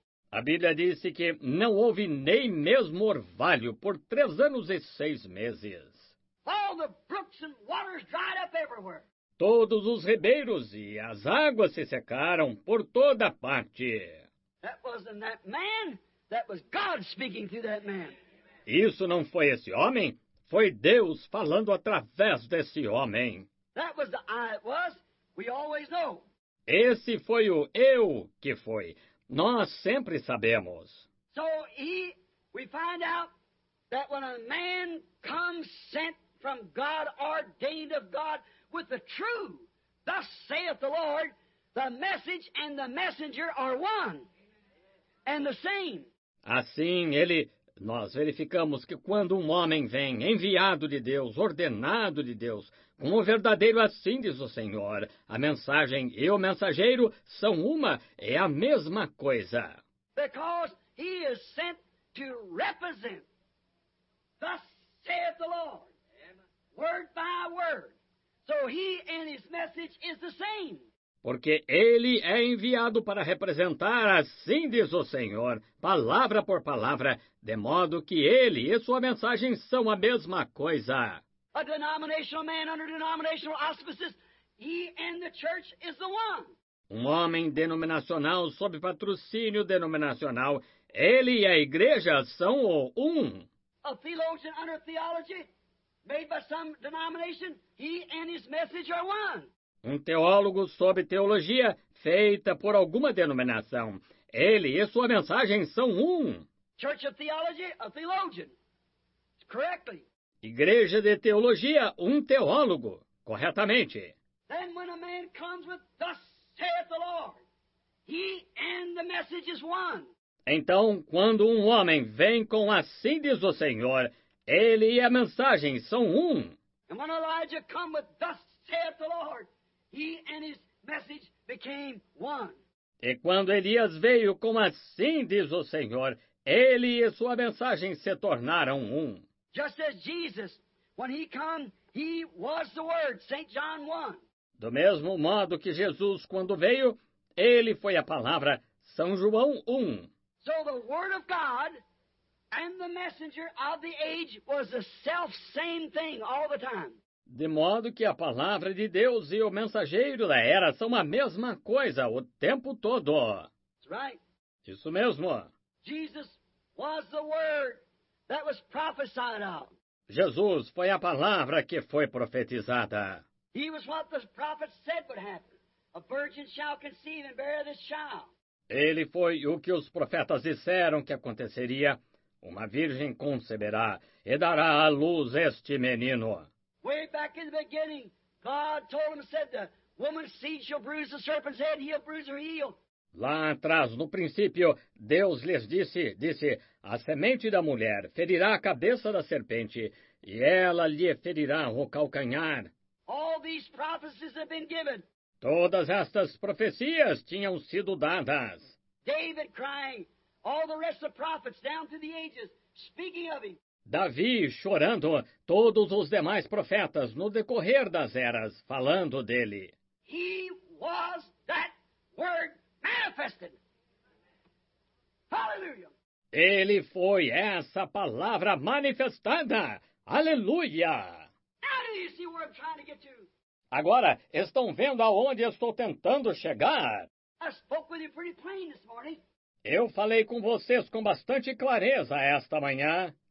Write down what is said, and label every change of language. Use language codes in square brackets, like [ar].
[pt] A Bíblia disse que não houve nem mesmo orvalho por 3 anos e 6 meses. [en] All the brooks and waters dried up everywhere. [pt] Todos os ribeiros e as águas se secaram por toda parte. [en] That wasn't that man. That was God speaking through that man. [pt] Isso não foi esse homem. Foi Deus falando através desse homem. [en] That was the I that was. We always know. [pt] Esse foi o eu que foi. Nós sempre sabemos. [en] So we find out that when a man comes sent from God, ordained of God, with the true, thus saith the Lord, the message and the messenger are one. And the same. [pt] Assim, nós verificamos que quando um homem vem, enviado de Deus, ordenado de Deus, como verdadeiro assim, diz o Senhor, a mensagem e o mensageiro são uma, é a mesma coisa. [en] Because he is sent to represent, thus saith the Lord, word by word. So he and his message is the same. [pt] Porque ele é enviado para representar, assim diz o Senhor, palavra por palavra, de modo que ele e sua mensagem são a mesma coisa. [en] A denominational man under denominational auspices, he and the church is the one. [pt] Um homem denominacional sob patrocínio denominacional, ele e a igreja são o um. [en] A theologian under theology, made by some denomination, he and his message are one. [pt] Um teólogo sob teologia feita por alguma denominação. Ele e sua mensagem são um. [en] Church of theology, a theologian. Correctly. [pt] Igreja de teologia, um teólogo. Corretamente. [en] Then when a man comes with, thus saith the Lord, he and the message is one. [pt] Então, quando um homem vem com assim diz o Senhor, ele e a mensagem são um. [en] And when Elijah come with, thus saith the Lord, he and his message became one. [pt] E quando Elias veio, como assim diz o Senhor, ele e sua mensagem se tornaram um. [en] Just as Jesus, when he came, he was the word, St. John 1. [pt] Do mesmo modo que Jesus, quando veio, ele foi a palavra, São João 1. [en] So the word of God and the messenger of the age was the self same thing all the time. [pt] De modo que a palavra de Deus e o mensageiro da era são a mesma coisa o tempo todo. [en] That's right. [pt] Isso mesmo. [en] Jesus was the word that was prophesied of. [pt] Jesus foi a palavra que foi profetizada. [en] He was what the prophets said would happen. A virgin shall conceive and bear this child. [pt] Ele foi o que os profetas disseram que aconteceria. Uma virgem conceberá e dará à luz este menino. [en] Way back in the beginning, God told him, said, the woman's seed shall bruise the serpent's head, he'll bruise her heel. [pt] Lá atrás, no princípio, Deus lhes disse, a semente da mulher ferirá a cabeça da serpente, e ela lhe ferirá o calcanhar. [en] All these prophecies have been given. [pt] Todas estas profecias tinham sido dadas. [en] David crying, all the rest of the prophets down through the ages, speaking of him. [pt] Davi chorando, todos os demais profetas no decorrer das eras, falando dele. [en] He was that word manifested. Hallelujah. [pt] Ele foi essa palavra manifestada. Aleluia! [en] Now do you see where I'm trying to get to? [pt] Agora, estão vendo aonde estou tentando chegar? [en] I spoke with you pretty plain this morning. [pt] Eu falei com vocês com bastante clareza esta manhã.